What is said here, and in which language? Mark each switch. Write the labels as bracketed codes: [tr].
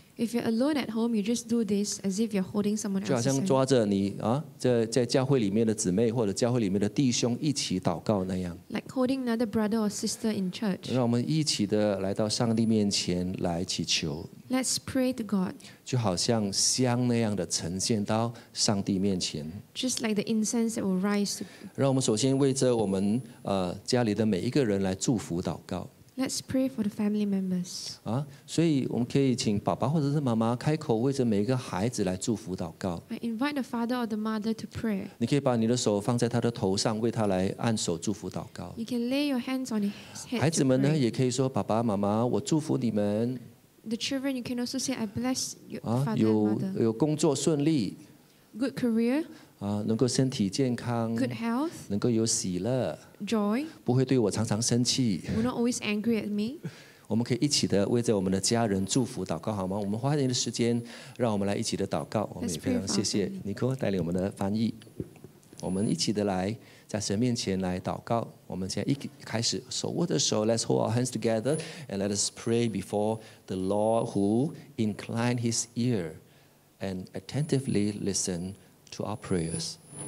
[en] If you're alone at home, you just do this as if you're holding someone else's hand。 [zh] 就好像抓着你啊，在教会里面的姊妹或者教会里面的弟兄一起祷告那样。 [en] Like holding another brother or sister in church。 [zh] 让我们一起的来到上帝面前来祈求。 [en] Let's pray to God。 [zh] 就好像香那样的呈现到上帝面前。 [en] Just like the incense that will rise。 [zh] 让我们首先为着我们家里的每一个人来祝福祷告。 [en] Let's pray for the family members。 [zh] 所以我们可以请爸爸或者是妈妈开口为着每一个孩子来祝福祷告。 [en] I invite the father or the mother to pray。 [zh] 你可以把你的手放在他的头上，为他来按手祝福祷告。 [en] You can lay your hands on his head to pray。 [zh] 孩子们呢，也可以说爸爸妈妈，我祝福你们。 [en] The children, you can also say, I bless your father and mother。 [zh] 有工作顺利。 [en] Good career。 [zh] 能够身体健康 [en] Good health, [zh] 能够有喜乐 [en] Joy, [zh] 不会对我常常生气 [en] We're not always angry at me. [zh] 我们可以一起的为着我们的家人祝福祷告好吗我们花一点的时间让我们来一起的祷告我们也非常谢谢 Nicole 带领我们的翻译我们一起的来在神面前来祷告我们现在一开始手握着手 [en] Let's hold our hands together and let us pray before the Lord who inclined his ear and attentively listenedto our prayers.